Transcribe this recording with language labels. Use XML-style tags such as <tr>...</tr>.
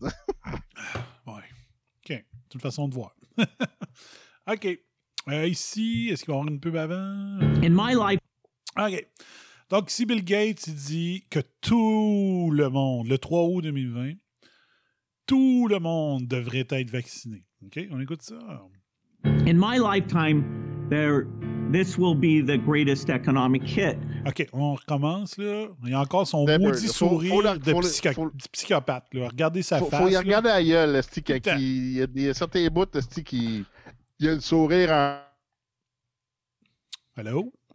<fr>Ouais. OK. C'est une façon de voir. OK. Ici, est-ce qu'il va y avoir une pub avant?</fr> <en>In my life.</en> <fr>OK. Donc, ici, Bill Gates, il dit que tout le monde, le 3 août 2020, tout le monde devrait être vacciné. OK, on écoute ça.</fr> <en>In my lifetime, this will be the greatest economic hit.</en> <fr>OK, on recommence, là. Il y a encore son maudit sourire de psychopathe, là. Regardez sa face. Il faut y regarder ailleurs, le stick. Il y a certains bouts, le stick, il y a le sourire en... Allô?</fr>